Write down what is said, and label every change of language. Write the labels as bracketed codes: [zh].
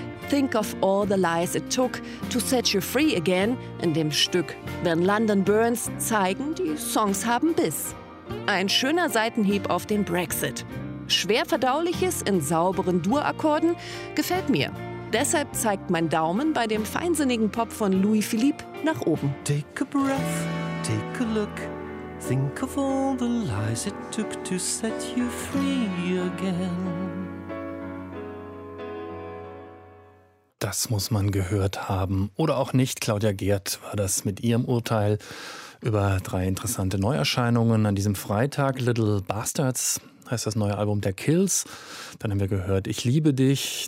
[en] Think of All the Lies It Took to Set You Free Again [de] in dem Stück When London Burns zeigen, die Songs haben Biss. Ein schöner Seitenhieb auf den Brexit. Schwer verdauliches in sauberen Dur-Akkorden gefällt mir. Deshalb zeigt mein Daumen bei dem feinsinnigen Pop von Louis Philippe nach oben. [en] Take a breath, take a look. Think of all the lies it took to set you free again. [de] Das muss man gehört haben. Oder auch nicht. Claudia Gehrt war das mit ihrem Urteil über drei interessante Neuerscheinungen an diesem Freitag. Little Bastards heißt das neue Album der Kills. Dann haben wir gehört Ich liebe dich.